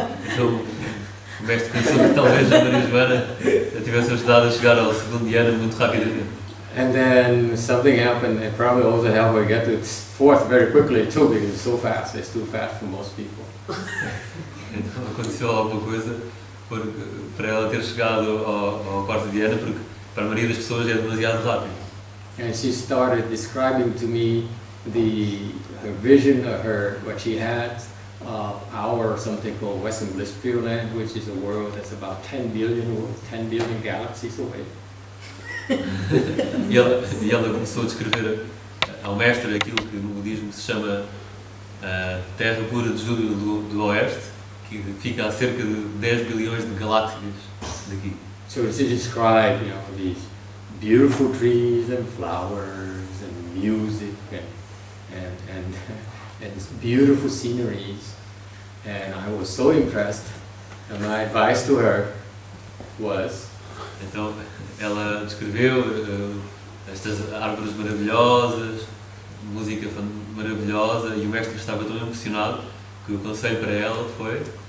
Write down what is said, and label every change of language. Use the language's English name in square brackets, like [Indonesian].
[Portuguese] Então, o mestre pensou que talvez a marijuana tivesse ajudado a chegar ao segundo dhyana muito rapidamente. [English] And then something happened, it probably also helped her get to the fourth very quickly too, because it's so fast, it's too fast for most people. [Portuguese] Então aconteceu alguma coisa para ela ter chegado ao quarto dhyana, porque para a maioria das pessoas é demasiado rápido. [English] And she started describing to me the vision of her, what she had, of our something called Western Bliss Pure Land, which is a world that's about 10 billion galaxies away. [Portuguese] E ela começou a descrever ao mestre aquilo que no budismo se chama Terra Pura de Júlio do Oeste, que fica a cerca de 10 bilhões de galáxias daqui. [English] So she described, you know, these beautiful trees and flowers and music and these beautiful sceneries. And I was so impressed, and my advice to her was, [Portuguese] então ela descreveu estas árvores maravilhosas, música maravilhosa, e o mestre estava tão emocionado que o conselho para ela foi: